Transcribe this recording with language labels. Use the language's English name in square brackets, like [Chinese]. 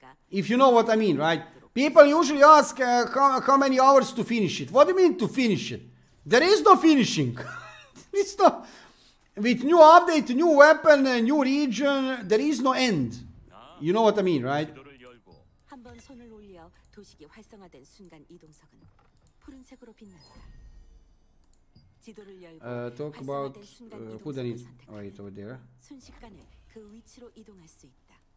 [English] If you know what I mean, right? People usually ask how many hours to finish it. What do you mean to finish it? There is no finishing. It's not, with new update, new weapon, new region, there is no end. You know what I mean, right? [Korean] 한번 손을 올려 도식이 활성화된 순간 이동석은 푸른색으로 빛났다. 지도를 열고 talk about who then is right over there. 순식간에 그 위치로 이동할 수 있다.